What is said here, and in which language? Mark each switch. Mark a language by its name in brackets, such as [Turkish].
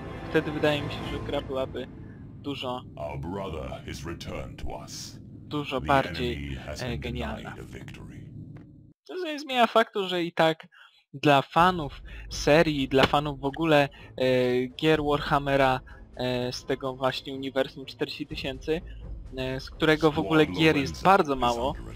[Polish] Wtedy wydaje mi się, że gra byłaby dużo... [English] Our brother is returned to us. [Polish] Dużo bardziej genialna. To nie zmienia faktu, że i tak dla fanów serii, dla fanów w ogóle gier Warhammera z tego właśnie uniwersum 40 000, z którego w ogóle gier jest bardzo mało.